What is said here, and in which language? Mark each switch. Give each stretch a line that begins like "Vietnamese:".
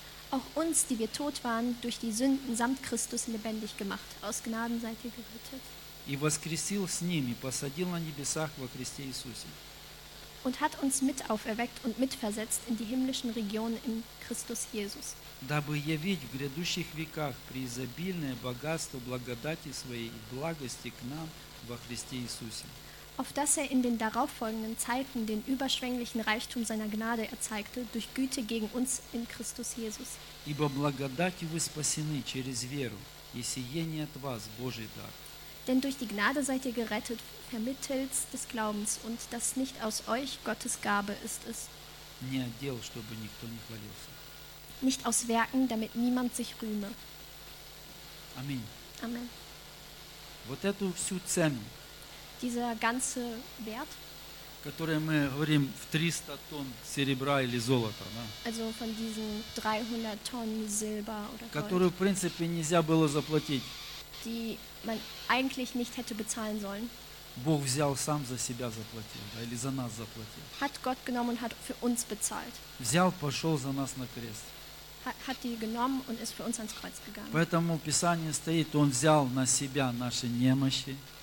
German: Auch uns, die wir tot waren, durch die Sünden samt Christus lebendig gemacht. Aus Gnaden seid ihr gerettet.
Russian: И воскресил с ним и посадил на небесах во Христе Иисусе.
German: Und hat uns mit auferweckt und mitversetzt in die himmlischen Regionen in Christus Jesus.
Russian: Дабы явить в грядущих веках преизобильное богатство благодати своей и благости к нам во Христе Иисусе.
German: Auf dass er in den darauffolgenden Zeiten den überschwänglichen Reichtum seiner Gnade erzeigte, durch Güte gegen uns in Christus Jesus.
Russian: Ибо благодатью вы спасены через веру, и сие не от вас, Божий дар.
German: Denn durch die Gnade seid ihr gerettet, vermittels des Glaubens, und das nicht aus euch, Gottes Gabe ist es.
Russian: Не от дел, чтобы никто не хвалился.
German: Nicht aus Werken, damit niemand sich rühme. Amen. Amen.
Russian: Вот эту всю цену,
German: dieser ganze Wert,
Russian: который мы говорим в 300 тонн серебра или золота, да?
German: Also von diesen 300 Tonnen Silber oder Gold,
Russian: которую, в принципе, нельзя было заплатить,
German: die man eigentlich nicht hätte bezahlen sollen,
Russian: Бог взял сам за себя заплатил, да, или за нас заплатил,
German: hat Gott genommen und hat für uns bezahlt,
Russian: взял, пошел за нас на крест,
German: hat die genommen und ist für uns ans Kreuz gegangen.
Russian: Поэтому в Писании стоит, Он взял на себя наши немощи.